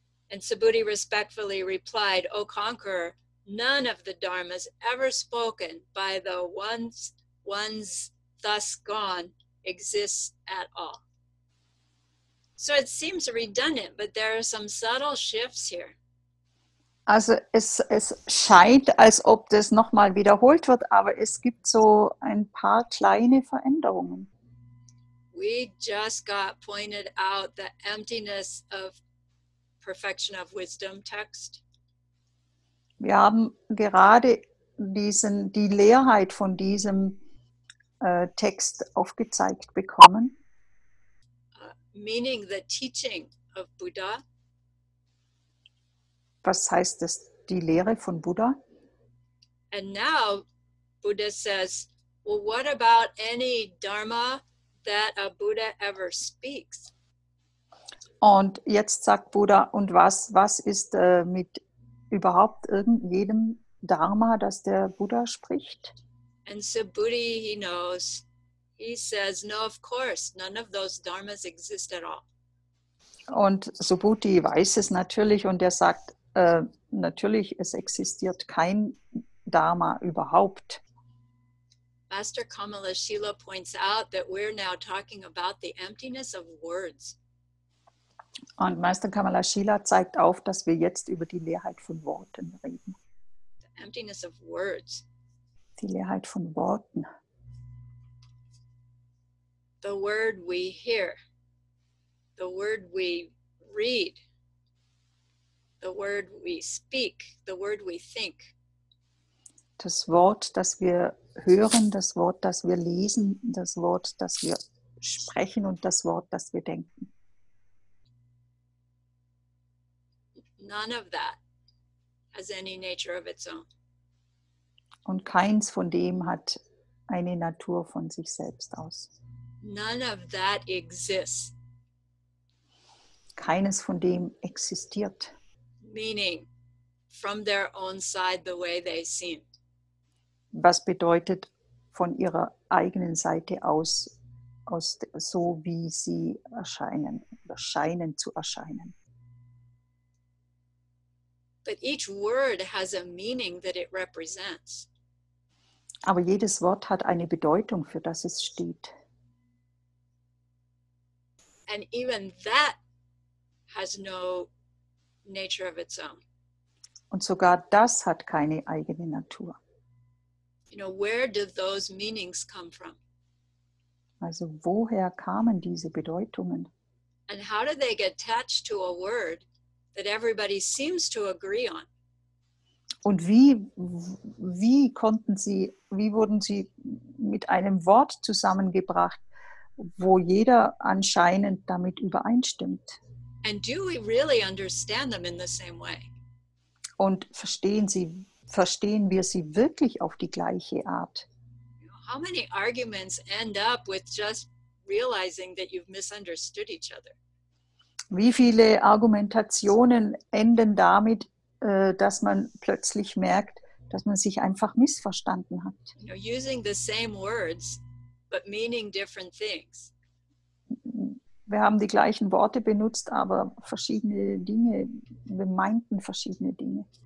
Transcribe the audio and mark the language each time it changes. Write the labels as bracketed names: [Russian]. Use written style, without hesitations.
[English] And Subhuti respectfully replied, O conqueror, none of the Dharmas ever spoken by the ones thus gone exists at all. So it seems redundant, but there are some subtle shifts here. [German] Also es scheint, als ob das nochmal wiederholt wird, aber es gibt so ein paar kleine Veränderungen. [English] We just got pointed out the emptiness of perfection of wisdom text. [German] Wir haben gerade die Leerheit von diesem Text aufgezeigt bekommen. [English] Meaning the teaching of Buddha. [German] Was heißt das, die Lehre von Buddha? [English] And now Buddha says, well, what about any Dharma that a Buddha ever speaks? [German] Und jetzt sagt Buddha, und was ist mit überhaupt irgendjedem Dharma, das der Buddha spricht? [English] And so Buddha, he knows, he says, no, of course, none of those Dharmas exist at all. [German] Und so Buddha weiß es natürlich und er sagt, natürlich, es existiert kein Dharma überhaupt. [English] Master Kamala Shila points out that we're now talking about the emptiness of words. [German] Und Master Kamala Shila zeigt auf, dass wir jetzt über die Leerheit von Worten reden. [English] The emptiness of words. [German] Die Leerheit von Worten. [English] The word we hear. The word we read. The word we speak, the word we think. [German] Das Wort, das wir hören, das Wort, das wir lesen, das Wort, das wir sprechen und das Wort, das wir denken. [English] None of that has any nature of its own. [German] Und keins von dem hat eine Natur von sich selbst aus. [English] None of that exists. [German] Keines von dem existiert. [English] Meaning, from their own side, the way they seem. [German] Was bedeutet von ihrer eigenen Seite aus so wie sie erscheinen oder scheinen zu erscheinen? [English] But each word has a meaning that it represents. [German] Aber jedes Wort hat eine Bedeutung, für das es steht. [English] And even that has no nature of its own. [German] Und sogar das hat keine eigene Natur. [English] You know, where did those meanings come from? [German] Also, woher kamen diese Bedeutungen? [English] And how did they get attached to a word that everybody seems to agree on? [German] Und wie wurden sie mit einem Wort zusammengebracht, wo jeder anscheinend damit übereinstimmt? [English] And do we really understand them in the same way? [German] Und verstehen wir sie wirklich auf die gleiche Art? [English] How many arguments end up with just realizing that you've misunderstood each other? [German] Wie viele Argumentationen enden damit, dass man plötzlich merkt, dass man sich einfach missverstanden hat. [English] You know, using the same words, but meaning different things. [German] Wir haben die gleichen Worte benutzt, aber verschiedene Dinge, wir meinten verschiedene Dinge.